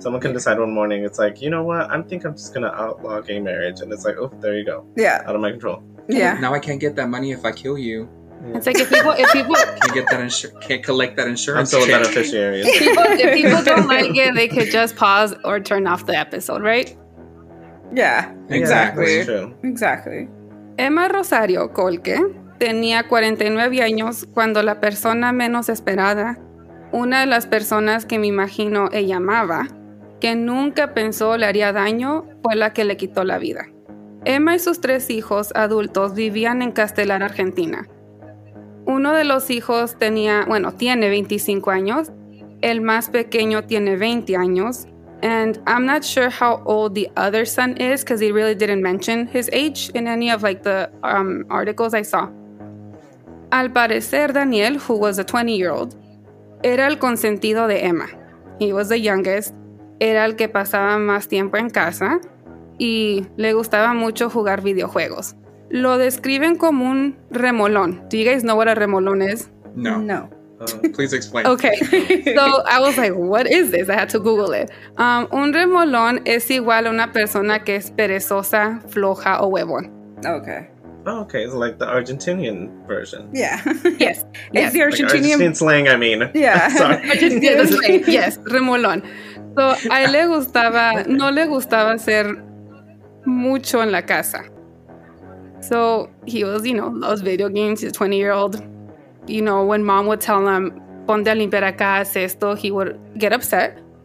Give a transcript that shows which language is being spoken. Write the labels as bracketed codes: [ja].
[en] Someone can decide one morning, it's like, you know what? I think I'm just gonna outlaw gay marriage, and it's like, oh, there you go. Yeah. Out of my control. Yeah. Now I can't get that money if I kill you. Yeah. It's like if people can get that can't collect that insurance. I'm still a beneficiary. If people don't like it, they could just pause or turn off the episode, right? Yeah, exactly. Exactly. [es] Emma Rosario Colque tenía 49 años cuando la persona menos esperada, una de las personas que me imagino ella amaba, que nunca pensó le haría daño, fue la que le quitó la vida. Emma y sus tres hijos adultos vivían en Castelar, Argentina. Uno de los hijos tiene 25 años, el más pequeño tiene 20 años. [en] And I'm not sure how old the other son is because he really didn't mention his age in any of like the articles I saw. [es] Al parecer, [en] Daniel, who was a 20-year-old, [es] era el consentido de Emma. [en] He was the youngest. [es] Era el que pasaba más tiempo en casa y le gustaba mucho jugar videojuegos. Lo describen como un remolón. [en] Do you guys know what a remolón is? No. No. Please explain. Okay, so I was like, what is this? I had to Google it. [es] Un remolón es igual a una persona que es perezosa, floja, o huevón. [en] Okay. Oh, okay, it's like the Argentinian version. Yeah. Yes. It's the Argentinian like slang, I mean. Yeah. Sorry. Argentinian slang, yes, remolón. [es] So, a él le gustaba, no le gustaba hacer mucho en la casa. [en] So, he was, you know, loves video games, he's a 20-year-old. You know, when mom would tell him, [es] ponte a limpiar acá, haz esto, [en] he would get upset.